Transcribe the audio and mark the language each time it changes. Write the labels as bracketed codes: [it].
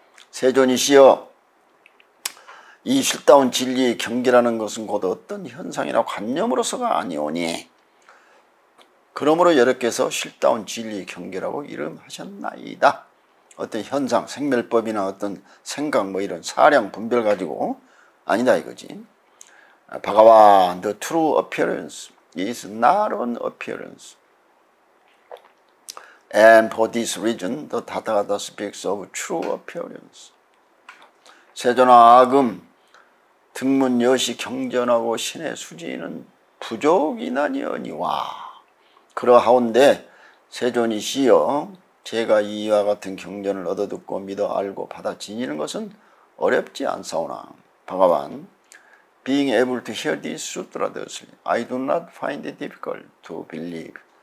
[ko] 세존이시여, 이 실다운 진리의 경계라는 것은 곧 어떤 현상이나 관념으로서가 아니오니 그러므로 여러께서 실다운 진리의 경계라고 이름하셨나이다. 어떤 현상, 생멸법이나 어떤 생각 뭐 이런 사량 분별 가지고 아니다 이거지. [en] 바가와, the true appearance is not an appearance. And for this reason, the Tathagata speaks of true appearance. [ko] 세존아, 아금, 등문 여시 경전하고 신의 수지는 부족이나니어니와. 그러하온데, 세존이시여, 제가 이와 같은 경전을 얻어듣고 믿어 알고 받아 지니는 것은 어렵지 않사오나. [en] 바가와, Being able to hear this sutra, I do not find it difficult to believe.